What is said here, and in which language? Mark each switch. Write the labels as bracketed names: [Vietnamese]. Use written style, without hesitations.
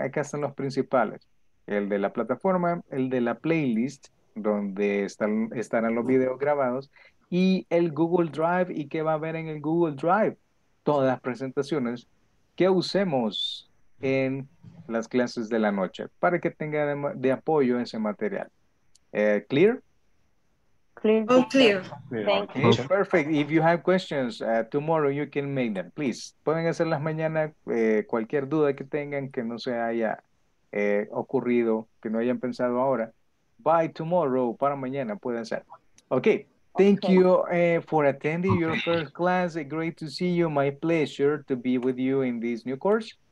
[Spanish] Acá están los principales. El de la plataforma, el de la playlist, donde estarán los videos grabados, y el Google Drive. ¿Y qué va a haber en el Google Drive? Todas las presentaciones que usemos en las clases de la noche para que tenga de apoyo ese material. [English] ¿Clear? Clear. Okay, perfect. If you have questions, tomorrow you can make them. Please, [Spanish] pueden hacerlas mañana, cualquier duda que tengan que no se haya ocurrido, que no hayan pensado ahora. [English] By tomorrow, [Spanish] para mañana, pueden ser. [English] Okay, thank you for attending your first class. Great to see you. My pleasure to be with you in this new course.